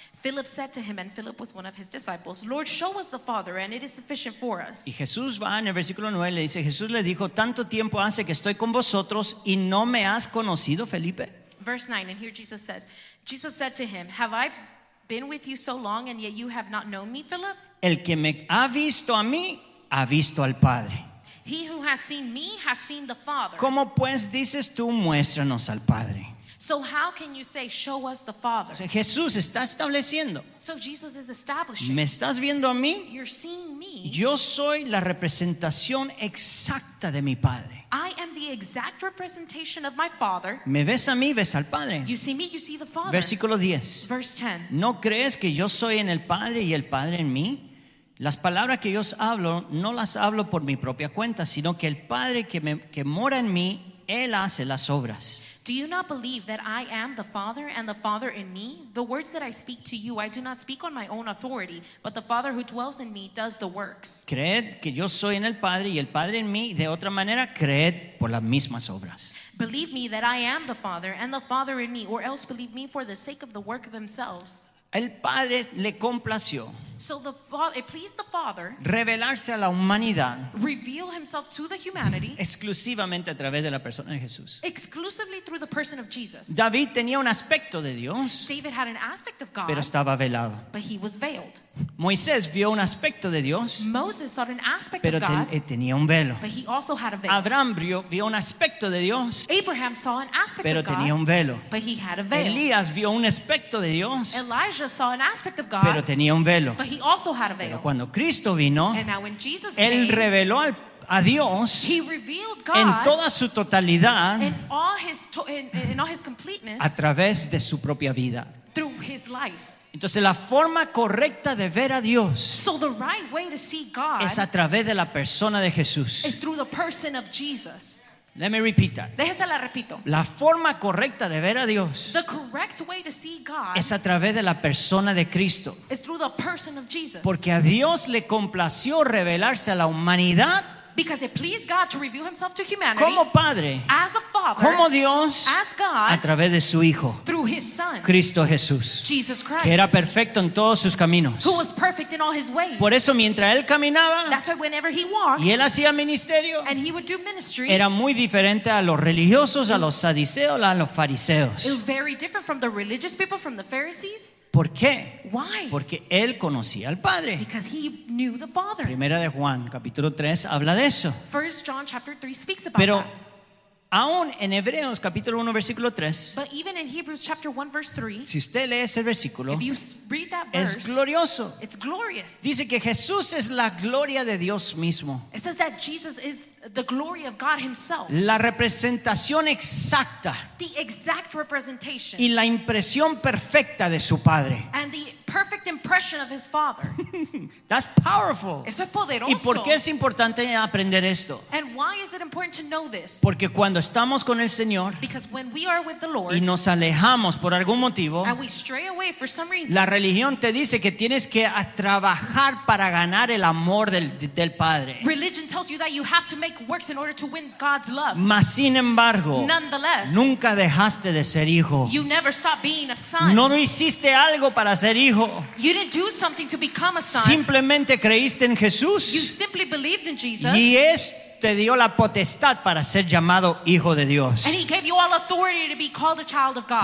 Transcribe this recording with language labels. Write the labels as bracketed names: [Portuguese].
[English] Philip said to him, and Philip was one of his disciples, Lord, show us the Father, and it is sufficient for us. [Spanish] Y Jesús va en el versículo 9, le dice, Jesús le dijo, tanto tiempo hace que estoy con vosotros, y no me has conocido, Felipe. [English] Verse 9, and here Jesus said to him, have I been with you so long, and yet you have not known me, Philip? [Spanish] El que me ha visto a mí, ha visto al Padre. [English] He who has seen me has seen the Father. [Spanish] ¿Cómo pues dices tú, muéstranos al Padre? [English] So how can you say, show us the Father? [Spanish] O sea, Jesús está estableciendo. [English] So Jesus is establishing. [Spanish] ¿Me estás viendo a mí? [English] You're seeing me. [Spanish] Yo soy la representación exacta de mi Padre. [English] I am the exact representation of my Father. [Spanish] ¿Me ves a mí? ¿Ves al Padre? [English] You see me, you see the Father. [Spanish] Versículo 10. [English] Verse 10. [Spanish] ¿No crees que yo soy en el Padre y el Padre en mí? Las palabras que yo os hablo, no las hablo por mi propia cuenta, sino que el Padre que mora en mí, Él hace las obras. [English] Do you not believe that I am the Father and the Father in me? The words that I speak to you, I do not speak on my own authority, but the Father who dwells in me does the works. [Spanish] Creed que yo soy en el Padre y el Padre en mí, de otra manera, creed por las mismas obras. [English] Believe me that I am the Father and the Father in me, or else believe me for the sake of the work themselves. [Spanish] El Padre le complació. [English] So the it pleased the Father [Spanish] revelarse a la humanidad, [English] reveal himself to the humanity [Spanish] exclusivamente a través de la persona de Jesús. [English] Exclusively through the person of Jesus. [Spanish] David tenía un aspecto de Dios, [English] David had an aspect of God, [Spanish] pero estaba velado. [English] But he was veiled. [Spanish] Moisés vio un aspecto de Dios, [English] Moses saw an aspect [Spanish] pero [English] of God, [Spanish] tenía un velo. [English] But he also had a veil. [Spanish] Abraham vio un aspecto de Dios, [English] Abraham saw an aspect [Spanish] pero [English] of God, [Spanish] tenía un velo. [English] But he had a veil. [Spanish] Elías vio un aspecto de Dios, [English] Elijah saw an aspect of God, [Spanish] pero tenía un velo. [English] But he also had a veil. [Spanish] Pero cuando Cristo vino, [English] and now when Jesus [Spanish] él [English] came, [Spanish] reveló al, a Dios, [English] he revealed God [Spanish] en toda su totalidad, [English] in all his completeness, [Spanish] a través de su propia vida, [English] through his life. [Spanish] Entonces la forma correcta de ver a Dios, [English] so the right way to see God, [Spanish] es a través de la persona de Jesús, [English] is through the person of Jesus. Let me repeat that. [Spanish] Déjesela repito. La forma correcta de ver a Dios, [English] the correct way to see God, [Spanish] es a través de la persona de Cristo, [English] is through the person of Jesus. [Spanish] Porque a Dios le complació revelarse a la humanidad. [English] Because it pleased God to reveal himself to humanity. [Spanish] Como padre, [English] as a father, [Spanish] como Dios, [English] as God, [Spanish] a través de su hijo, [English] through his son, [Spanish] Cristo Jesús, [English] Jesus Christ, [Spanish] que era perfecto en todos sus caminos, [English] who was perfect in all his ways. [Spanish] Por eso mientras él caminaba, [English] that's why whenever he walked, [Spanish] y él hacía ministerio, [English] and he would do ministry, [Spanish] era muy diferente a los religiosos, a los saduceos, a los fariseos. [English] It was very different from the religious people, from the Pharisees. [Spanish] ¿Por qué? [English] Why? [Spanish] Porque él conocía al Padre. [English] Because he knew the Father. [Spanish] Primera de Juan, capítulo 3, habla de eso. [English] First John chapter 3 speaks about [Spanish] pero, [English] that. [Spanish] Pero aún en Hebreos, capítulo 1, versículo 3, [English] but even in Hebrews chapter 1, verse 3, [Spanish] si usted lee ese versículo, [English] if you read that verse, [Spanish] es glorioso. [English] It's glorious. [Spanish] Dice que Jesús es la gloria de Dios mismo. [English] It says that Jesus is the glory of God himself. [Spanish] La representación exacta. [English] The exact representation. [Spanish] Y la impresión perfecta de su padre. [English] And the perfect impression of his father. That's powerful. [Spanish] Eso es poderoso. ¿Y por qué es importante aprender esto? [English] And why is it important to know this? [Spanish] Porque cuando estamos con el Señor, [English] because when we are with the Lord, [Spanish] y nos alejamos por algún motivo, [English] and we stray away for some reason, [Spanish] la religión te dice que tienes que trabajar para ganar el amor del padre. [English] Religion tells you that you have to make works in order to win God's love. [Spanish] Mas sin embargo, [English] nonetheless, [Spanish] nunca dejaste de ser hijo. [English] You never stopped being a son. [Spanish] No hiciste algo para ser hijo. [English] You didn't do something to become a son. [Spanish] Simplemente creíste en Jesús. [English] You simply believed in Jesus. [Spanish] Y es te dio la potestad para ser llamado hijo de Dios. [English] And he gave you all authority to be called a child of God.